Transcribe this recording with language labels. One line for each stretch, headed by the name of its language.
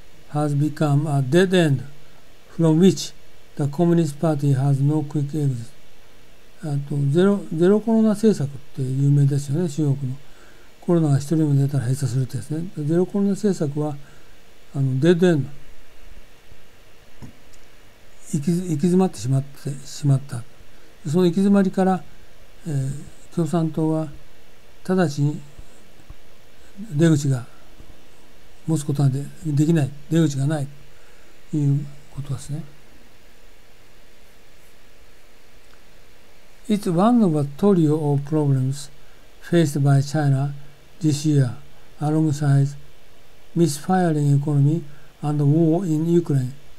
English: has become a dead end from which the Communist Party has no quick exit。
Japanese: あとゼロコロナ政策って有名ですよね、中国の。コロナが一人も出たら閉鎖するってですね。ゼロコロナ政策はあのデッドエンド、行き詰まってしまった。その行き詰まりから、共産党は直ちに出口が持つことは できない、出口がないということですね。
English: It's one of a trio of problems faced by China this year alongside misfiring economy and war in Ukraine。